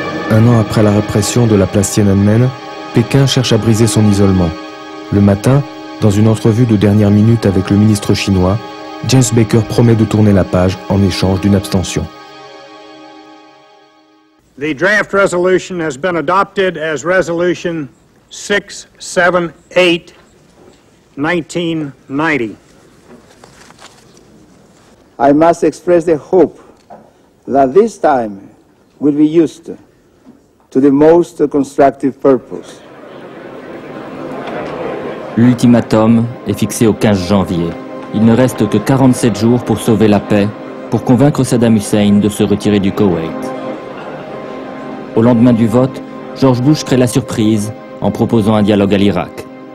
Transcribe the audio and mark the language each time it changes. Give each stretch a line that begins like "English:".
French: Un an après la répression de la place Tiananmen, Pékin cherche à briser son isolement. Le matin, dans une entrevue de dernière minute avec le ministre chinois, James Baker promet de tourner la page en échange d'une abstention.
English: The draft resolution has been adopted as resolution 678-1990. I must express the hope that this time will be used to the most constructive purpose.
French: L'ultimatum est fixé au 15 janvier. Il ne reste que 47 jours pour sauver la paix, pour convaincre Saddam Hussein de se retirer du Koweït. Au lendemain du vote, George Bush crée la surprise en proposant un dialogue à l'Irak.